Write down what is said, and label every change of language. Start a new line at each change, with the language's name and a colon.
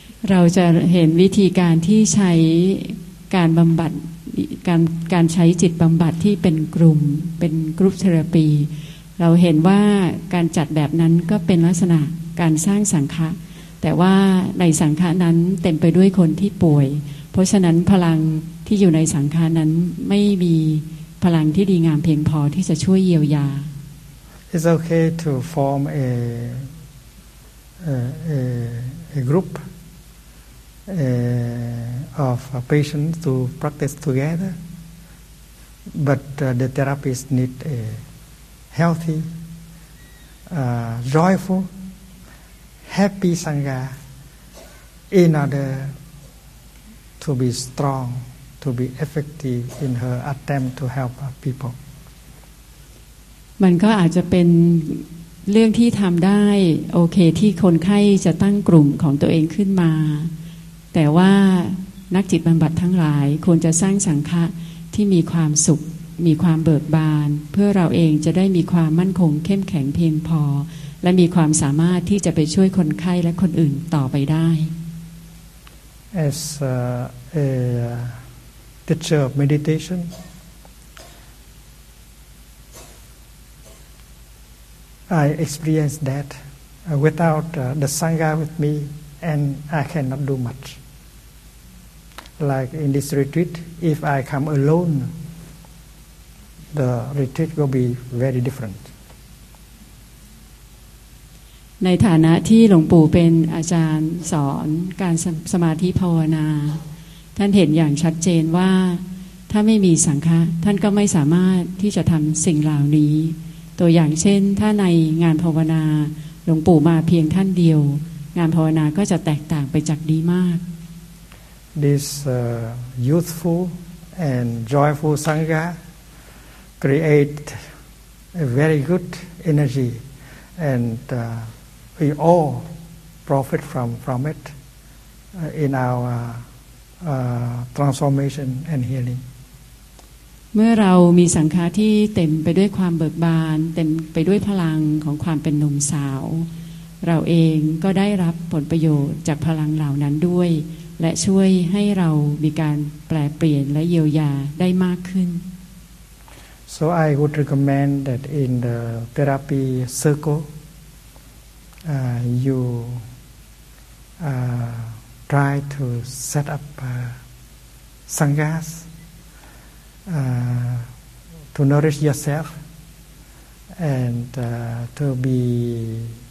Thai: เราจะเห็นวิธีการที่ใช้การบำบัดการใช้จิตบำบัดที่เป็นกลุ่มเป็นกรุ๊ปเทอราปีเราเห็นว่าการจัดแบบนั้นก็เป็นลักษณะการสร้างสังฆะแต่ว่าในสังฆะนั้นเต็มไปด้วยคนที่ป่วยเพราะฉะนั้นพลังที่อยู่ในสังฆานั้นไม่มีพลังที่ดีงามเพียงพอที่จะช่วยเยียวยา
English: It's okay to form a group of patients to practice together but the therapist need a healthy joyful happy sangha in order to be strongTo be effective in her attempt to help people.
Thai: มันก็อาจจะเป็นเรื่องที่ทำได้โอเคที่คนไข้จะตั้งกลุ่มของตัวเองขึ้นมาแต่ว่านักจิตบำบัดทั้งหลายควรจะสร้างสังฆะที่มีความสุขมีความเบิกบานเพื่อเราเองจะได้มีความมั่นคงเข้มแข็งเพียงพอและมีความสามารถที่จะไปช่วยคนไข้และคนอื่นต่อไปได้
English: As aTeacher of meditation. I experienced that without the Sangha with me, and I cannot do much. Like in this retreat, if I come alone, the retreat will be very different.
Thai: ในฐานะที่หลวงปู่เป็นอาจารย์สอนการสมาธิภาวนาท่านเห็นอย่างชัดเจนว่าถ้าไม่มีสังฆะท่านก็ไม่สามารถที่จะทำสิ่งเหล่านี้ตัวอย่างเช่นถ้าในงานภาวนาหลวงปู่มาเพียงท่านเดียวงานภาวนาก็จะแตกต่างไปจากดีมาก
English: This youthful and joyful sangha create a very good energy and we all profit from it in our transformation and healing
Thai: เมื่อเรามีสังขารที่เต็มไปด้วยความเบิกบานเต็มไปด้วยพลังของความเป็นหนุ่มสาวเราเองก็ได้รับผลประโยชน์จากพลังเหล่านั้นด้วยและช่วยให้เรามีการแปลเปลี่ยนและเยียวยาได้มากขึ้น
English: So I would recommend that in the therapy circle you try to set up sanghas to nourish yourself and to be